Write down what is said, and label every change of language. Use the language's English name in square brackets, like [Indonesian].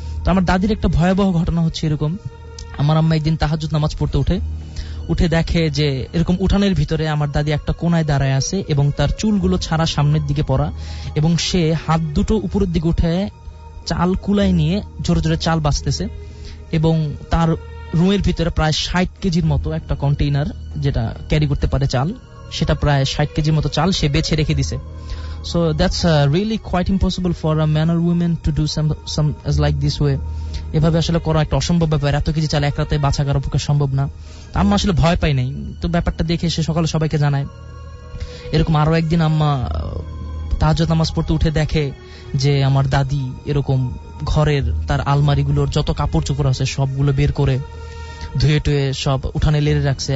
[Bangla] তো আমার দাদির একটা ভয়াবহ ঘটনা হচ্ছে এরকম, আমার আম্মা একদিন তাহাজ্জুদ নামাজ পড়তে উঠে উঠে দেখে যে এরকম উঠানের ভিতরে আমার দাদি একটা কোনায় দাঁড়ায় আছে এবং তার চুলগুলো ছাড়া সামনের দিকে পড়া, এবং সে হাত দুটো উপরের দিকে উঠে চাল কুলায় নিয়ে জোরে জোরে চাল বাঁচতেছে, এবং তার রুমের ভিতরে প্রায় 60 কেজির মতো একটা কন্টেইনার যেটা ক্যারি করতে পারে চাল, সেটা প্রায় 60 কেজির মতো চাল সে বেছে রেখে দিছে। [English] So that's really quite impossible for a man or woman to do some as like this way. [Bangla] এভাবে আসলে করা একটা অসম্ভব ব্যাপার, এত কিছু চালে এক রাতে বাছা করার পক্ষে সম্ভব না। আম্মা আসলে ভয় পায় নাই, তো ব্যাপারটা দেখে সে সকালে সবাইকে জানায়। এরকম আরো একদিন আম্মা তাহাজ্জুদ নামাজ পড়তে উঠে দেখে যে আমার দাদি এরকম ঘরের তার আলমারিগুলোর যত কাপড় চোপড় আছে সবগুলো বের করে ধুয়ে টুয়ে সব উঠানে লেড়ে রাখছে।